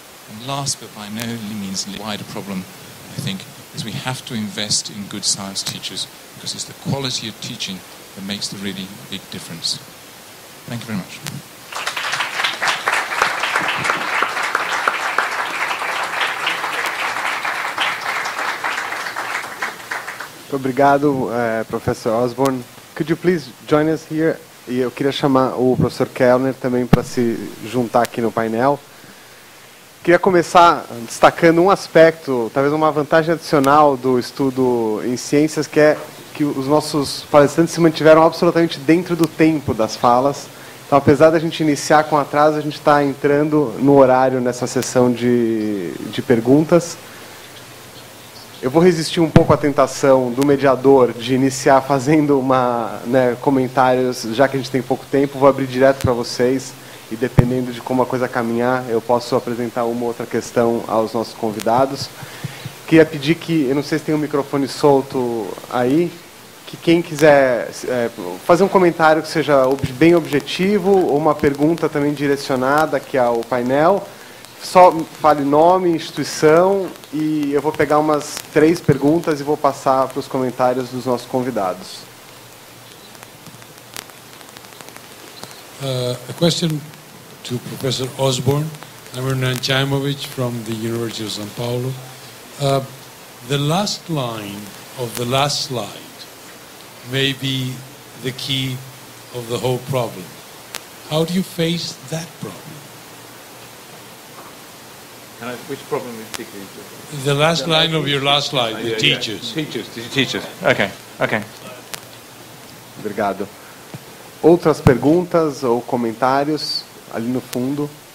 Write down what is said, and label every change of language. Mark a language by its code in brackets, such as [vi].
[en] And last but by no means the wider problem, I think, is we have to invest in good science teachers because it's the quality of teaching that makes the really big difference. Thank you very much. [pt] Muito obrigado, professor Osborne. [en] Could you please join us here? [pt] E eu queria chamar o professor Kellner também para se juntar aqui no painel. Queria começar destacando um aspecto, talvez uma vantagem adicional do estudo em ciências, que é que os nossos palestrantes se mantiveram absolutamente dentro do tempo das falas. Então, apesar da gente iniciar com atraso, a gente está entrando no horário nessa sessão de perguntas. Eu vou resistir um pouco à tentação do mediador de iniciar fazendo uma, né, comentários, já que a gente tem pouco tempo, vou abrir direto para vocês e, dependendo de como a coisa caminhar, eu posso apresentar uma outra questão aos nossos convidados. Queria pedir que, eu não sei se tem um microfone solto aí, que quem quiser fazer um comentário que seja bem objetivo ou uma pergunta também direcionada aqui ao painel. Só fale nome, instituição, e eu vou pegar umas três perguntas e vou passar para os comentários dos nossos convidados. [en] A question to Professor Osborne. I'm Hernan Chaimovic from the University of São Paulo. The last line of the last slide may be the key of the whole problem. How do you face that problem? Which problem is particularly? The last line of your last slide, the teachers. Teachers. Okay. [pt] Obrigado. Outras perguntas ou comentários ali no fundo?